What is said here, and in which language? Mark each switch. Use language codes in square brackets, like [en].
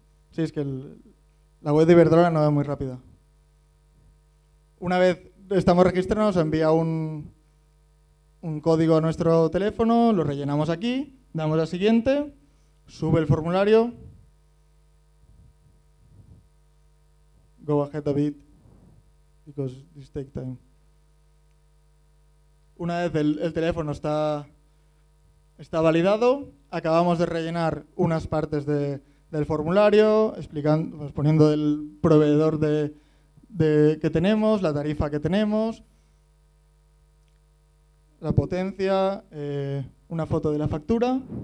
[es] Sí, es que la web de Iberdrola no va muy rápida. Una vez estamos registrados, envía un código a nuestro teléfono, lo rellenamos aquí, damos a siguiente, sube el formulario. [en] Go ahead a bit, because this take time. [es] Una vez el teléfono está validado, acabamos de rellenar unas partes del formulario, poniendo el proveedor de que tenemos, la tarifa que tenemos, la potencia, una foto de la factura.